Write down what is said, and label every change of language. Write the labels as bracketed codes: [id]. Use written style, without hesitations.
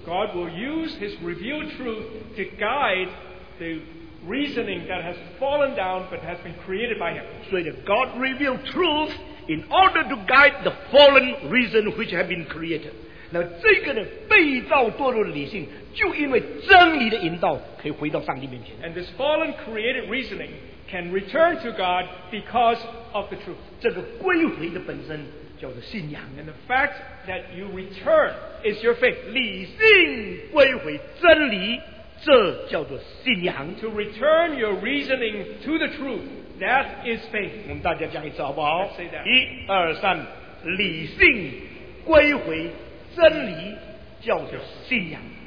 [en] God will use His revealed truth to guide the reasoning that has fallen down but has been created by Him. So God revealed truth in order to guide the fallen reason which has been created. [zh] 那这个被造堕落的理性就因为真理的引导可以回到上帝面前。 [en] And this fallen created reasoning can return to God because of the truth. [zh] 这个归回的本身叫做信仰。 [en] And the fact that you return is your faith. [zh] 理性归回真理，这叫做信仰。 [en] To return your reasoning to the truth, that is faith. [zh] 我们大家讲一次好不好？ [en] Say that. [zh] 一二三， 理性归回真理叫做信仰。